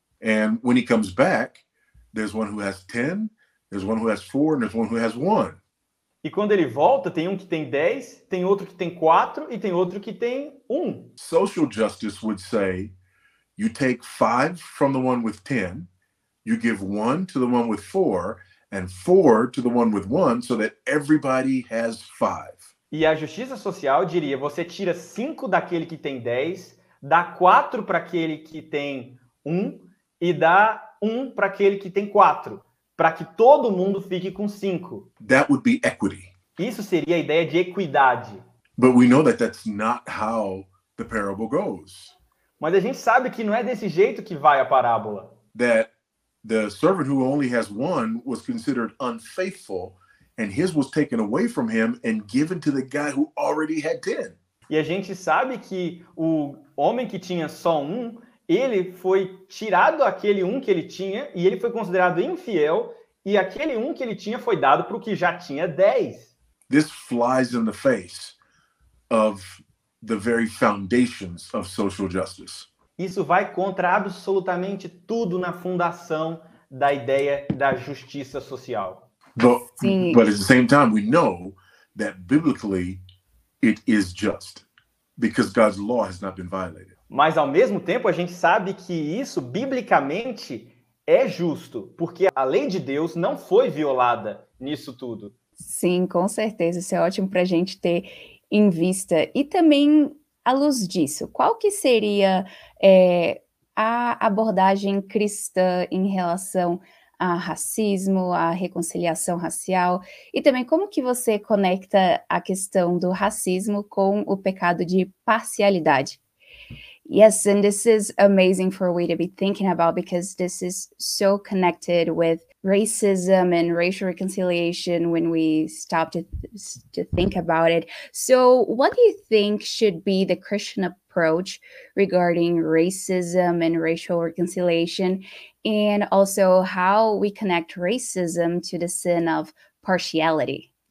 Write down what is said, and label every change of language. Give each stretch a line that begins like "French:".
English: And when he comes back, there's one who has 10, there's one who has 4, and there's one who has 1.
Portuguese: E quando ele volta, tem um que tem 10, tem outro que tem 4 e tem outro que tem 1.
English: Social justice would say you take 5 from the one with 10, you give 1 to the one with 4 and 4 to the one with 1 so that everybody has 5.
Portuguese: E a justiça social diria, você tira 5 daquele que tem 10, dá 4 para aquele que tem 1 e dá 1 para aquele que tem 4, para que todo mundo fique com 5.
English: That would be equity.
Portuguese: Isso seria a ideia de equidade.
English: But we know that that's not how the parable goes.
Portuguese: Mas a gente sabe que não é desse jeito que vai a parábola.
English: That the servant who only has one was considered unfaithful, and his was taken away from him and given to the guy who already had ten.
Portuguese: E a gente sabe que o homem que tinha só um, ele foi tirado aquele um que ele tinha, e ele foi considerado infiel, e aquele um que ele tinha foi dado para o que já tinha 10.
English: This flies in the face of the very foundations of social justice.
Portuguese: Isso vai contra absolutamente tudo na fundação da ideia da justiça social.
English: But at the same time, we know that biblically it is just, because God's law has not been violated.
Portuguese: Mas ao mesmo tempo, a gente sabe que isso biblicamente é justo, porque a lei de Deus não foi violada nisso tudo. Sim, com certeza. Isso é ótimo para a gente ter em vista. E também, à luz disso, qual que seria a abordagem cristã em relação a racismo, a reconciliação racial? E também, como que você conecta a questão do racismo com o pecado de parcialidade?
English: Yes, and this is amazing for we to be thinking about, because this is so connected with racism and racial reconciliation when we stop to think about it. So what do you think should be the Christian approach regarding racism and racial reconciliation, and also how we connect racism to the sin of partiality?